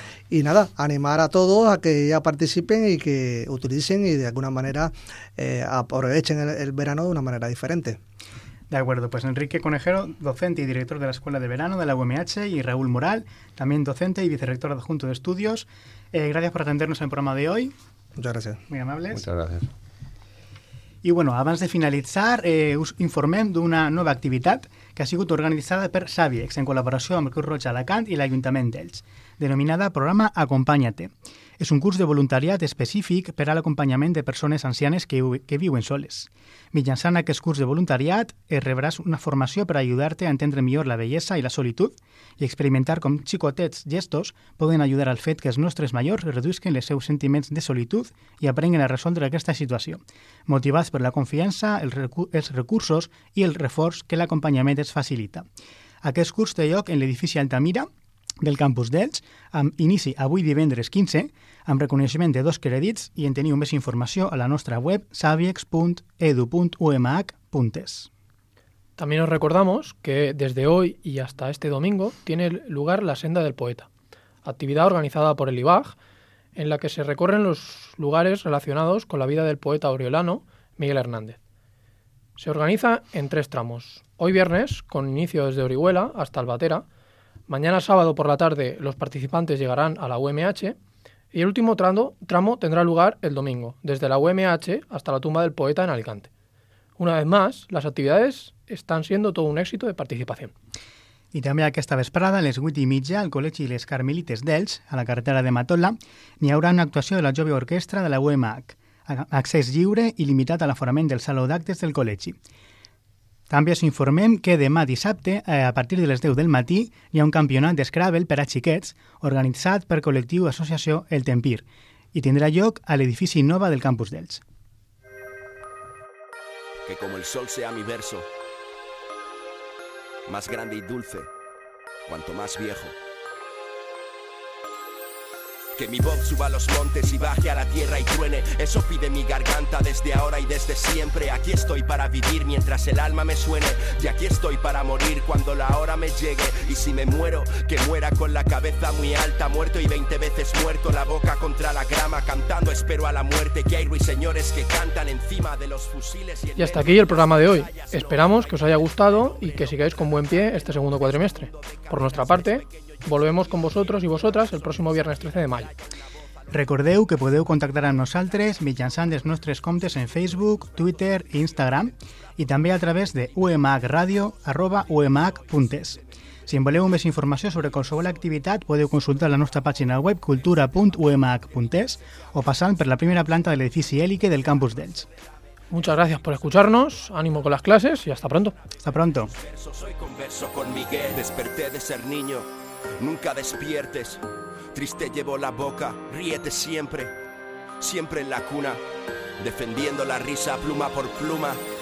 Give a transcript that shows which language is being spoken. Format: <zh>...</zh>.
<es>Y nada, animar a todos a que ya participen y que utilicen y de alguna manera aprovechen el verano de una manera diferente. De acuerdo, pues Enrique Conejero, docente y director de la Escuela de Verano de la UMH, y Raúl Moral, también docente y vicerrector adjunto de estudios. Gracias por atendernos en el programa de hoy. Muchas gracias. Muy amables. Muchas gracias.</es> <ca>Y bueno, abans de finalitzar, informem d'una nova activitat que ha sigut organitzada per Saviex en col·laboració amb el Cruz Roja Alacant i l'Ajuntament d'Elx, denominada Programa Acompanya-te. És un curs de voluntariat específic per a l'acompanyament de persones ancianes que viuen soles. Mitjançant aquest curs de voluntariat, rebràs una formació per ajudar-te a entendre millor la bellesa i la solitud i experimentar com xicotets gestos poden ajudar al fet que els nostres majors reduïsquen els seus sentiments de solitud i aprenguin a resoldre aquesta situació, motivats per la confiança, els recursos i el reforç que l'acompanyament els facilita. Aquest curs té lloc en l'edifici Altamira, del campus d'Elx, amb inici avui divendres 15, amb reconeixement de 2 crèdits, i en teniu més informació a la nostra web saviex.edu.umh.es.</ca> <es>També nos recordamos que desde hoy y hasta este domingo tiene lugar la Senda del Poeta, actividad organizada por el IBAG, en la que se recorren los lugares relacionados con la vida del poeta oriolano Miguel Hernández. Se organiza en 3 tramos. Hoy viernes, con inicio desde Orihuela hasta Albatera. Mañana sábado por la tarde los participantes llegarán a la UMH y el último tramo tendrá lugar el domingo, desde la UMH hasta la tumba del poeta en Alicante. Una vez más, las actividades están siendo todo un éxito de participación.</es> <ca>I també aquesta vesprada, a les 8:30, al Col·legi i les Carmelites d'Elx, a la carretera de Matola, n'hi haurà una actuació de la jove orquestra de la UMH, accés lliure i limitat a l'aforament del saló d'actes del col·legi. També us informem que demà dissabte, a partir de les 10 del matí, hi ha un campionat d'Scrabble per a xiquets organitzat per col·lectiu Associació El Tempir i tindrà lloc a l'edifici Nova del campus d'Elx.</ca> <es>Que com el sol sea mi verso, más grande y dulce, cuanto más viejo. Que mi voz suba a los montes y baje a la tierra y truene. Eso pide mi garganta desde ahora y desde siempre. Aquí estoy para vivir mientras el alma me suene. Y aquí estoy para morir cuando la hora me llegue. Y si me muero, que muera con la cabeza muy alta. Muerto y 20 veces muerto, la boca contra la grama. Cantando espero a la muerte, que hay ruiseñores que cantan encima de los fusiles. Y hasta aquí el programa de hoy. Esperamos que os haya gustado y que sigáis con buen pie este segundo cuatrimestre. Por nuestra parte, volvemos con vosotros y vosotras el próximo viernes 13 de mayo.</es> <ca>Recordeu que podeu contactar amb nosaltres mitjançant els nostres comptes en Facebook, Twitter i Instagram i també a través de umhradio@umh.es. Si en voleu més informació sobre qualsevol activitat, podeu consultar la nostra pàgina web cultura.umh.es o passant per la primera planta de l'edifici Hélice del campus d'Elx.</ca> <es>Muchas gracias por escucharnos, ánimo con las clases y hasta pronto. Hasta pronto. Soy converso con Miguel, desperté de ser niño. Nunca despiertes, triste llevo la boca, ríete siempre, siempre en la cuna, defendiendo la risa pluma por pluma.</es>